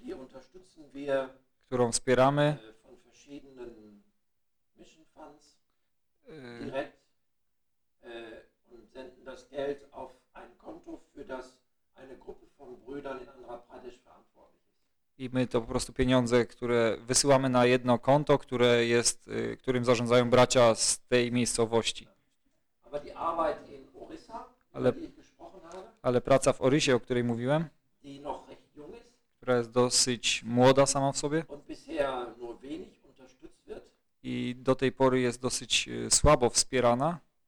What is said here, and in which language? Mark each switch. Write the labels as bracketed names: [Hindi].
[German] Die unterstützen wir. [Polish] Którą wspieramy. [German] Von verschiedenen Mission Funds. Direkt. Und senden das Geld auf ein Konto, für das eine Gruppe von Brüdern in Andhra Pradesh verantwortlich ist. [Polish] I my to po prostu pieniądze, które wysyłamy na jedno konto, które jest, którym zarządzają bracia z tej miejscowości. [German] Aber die Arbeit in Orissa, [Polish] ale, [German] über die ich gesprochen habe, [Polish] ale praca w Orisie, o której mówiłem, [German] die noch recht jung ist, [Polish] która jest dosyć młoda sama w sobie [German] und bisher nur wenig unterstützt wird, [Polish] i do tej pory jest dosyć słabo wspierana.